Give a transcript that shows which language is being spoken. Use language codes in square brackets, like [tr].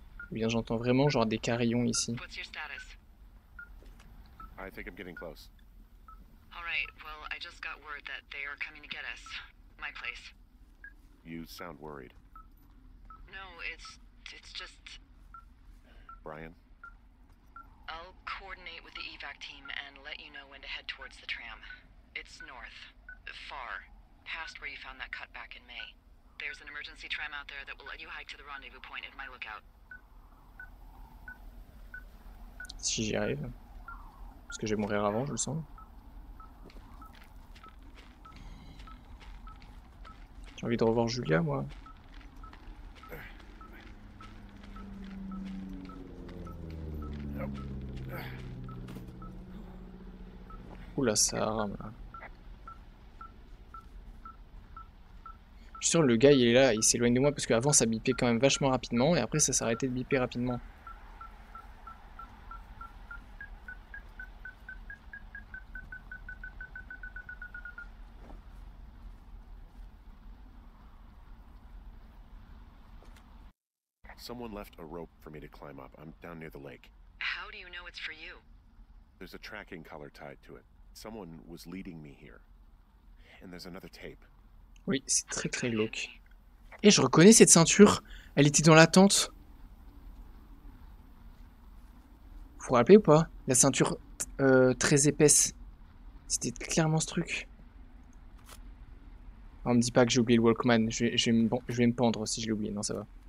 [fr] Ou bien j'entends vraiment genre des carillons ici. [en] I think I'm getting close. All right. Well, I just got word that they are coming to get us. My place. You sound worried. No, it's just... Brian? I'll coordinate with the evac team and let you know when to head towards the tram. It's north. Far. Past where you found that cutback in May. There's an emergency tram out there that will let you hike to the rendezvous point at my lookout. [fr] Si j'y arrive. Parce que je vais mourir avant, je le sens. J'ai envie de revoir Julia, moi. Oula, ça rame là. Je suis sûr que le gars il est là, il s'éloigne de moi parce qu'avant ça bipait quand même vachement rapidement et après ça s'arrêtait de biper rapidement. [en] Someone left a rope for me to climb up. I'm down near the lake. How do you know it's for you? There's a tracking collar tied to it. Someone was leading me here. And there's another tape. [fr] Oui, c'est très très glauque. Et je reconnais cette ceinture. Elle était dans la tente. Vous vous rappelez ou pas? La ceinture très épaisse. C'était clairement ce truc. On me dit pas que j'ai oublié le Walkman. Je vais me pendre si je l'ai oublié. Non, ça va.